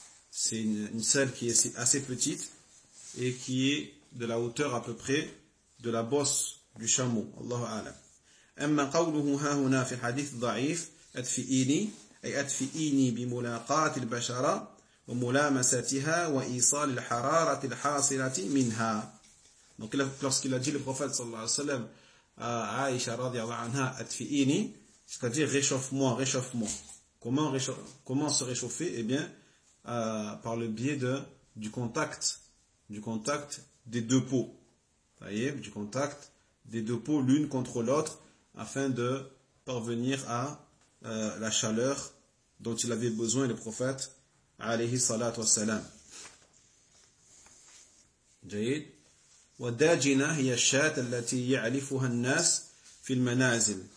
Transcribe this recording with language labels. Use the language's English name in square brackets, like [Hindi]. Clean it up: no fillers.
[French] C'est une selle qui est assez petite et qui est de la hauteur à peu près de la bosse du chameau. [Arabic] Allahu a'lam. أما قوله ها هنا في الحديث ضعيف أدفئيني أي أدفئيني بملاقاة البشرة وملامستها وإيصال الحرارة الحاصلة منها. [French] Donc lorsqu'il a dit le prophète [Arabic] sallallahu alayhi wa sallam [French] à Aïcha [Arabic] radiallahu anha, [French] adfi'ini, c'est-à-dire réchauffe-moi, réchauffe-moi. Comment se réchauffer? Eh bien, par le biais du contact des deux peaux. Vous voyez, du contact des deux peaux l'une contre l'autre, afin de parvenir à la chaleur dont il avait besoin, le prophète [Arabic] alayhi salatu wa salam. Jaïd. والداجنة هي الشاة التي يعلفها الناس في المنازل.